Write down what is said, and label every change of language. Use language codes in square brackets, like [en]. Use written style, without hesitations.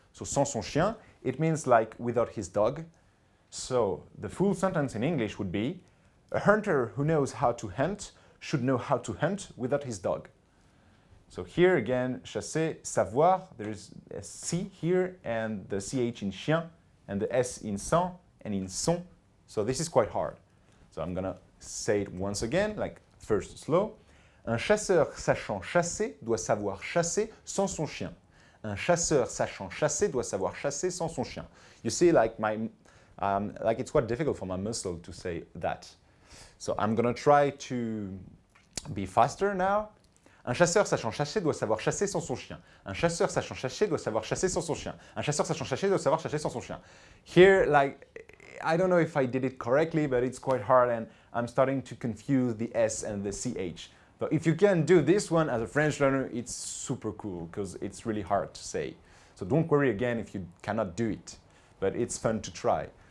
[en] So [fr] sans son chien, [en] it means like without his dog. So the full sentence in English would be, a hunter who knows how to hunt should know how to hunt without his dog. So here again, chasser, savoir, there is a C here and the CH in chien and the S in sans and in son. So this is quite hard. So I'm gonna say it once again, like first slow. [fr] Un chasseur sachant chasser doit savoir chasser sans son chien. Un chasseur sachant chasser doit savoir chasser sans son chien. [en] You see, like it's quite difficult for my muscle to say that. So I'm gonna try to be faster now. [fr] Un chasseur sachant chasser doit savoir chasser sans son chien. Un chasseur sachant chasser doit savoir chasser sans son chien. Un chasseur sachant chasser doit savoir chasser sans son chien. [en] Here, like, I don't know if I did it correctly, but it's quite hard and I'm starting to confuse the S and the CH. But if you can do this one as a French learner, it's super cool because it's really hard to say. So don't worry again if you cannot do it, but it's fun to try.